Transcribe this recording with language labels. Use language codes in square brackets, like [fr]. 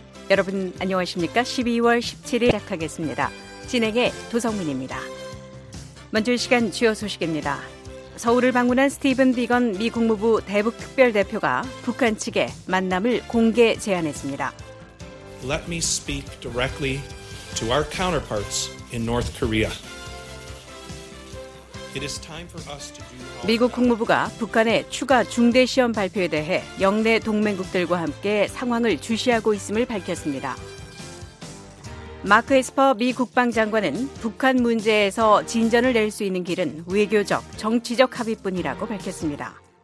[ko] 여러분 안녕하십니까? 12월 17일 시작하겠습니다. 진행의 도성민입니다. 먼저 이 시간 주요 소식입니다. 서울을 방문한 스티븐 비건 미 국무부 대북특별대표가 북한 측에 만남을 공개 제안했습니다. [en] Let me speak directly to our counterparts in North Korea. It is time for us to do. [ko] 미국 국무부가 북한의 추가 중대 시험 발표에 대해 영내 동맹국들과 함께 상황을 주시하고 있음을 밝혔습니다. 마크 에스퍼 미 국방장관은 북한 문제에서 진전을 낼 수 있는 길은 외교적, 정치적 합의뿐이라고 밝혔습니다.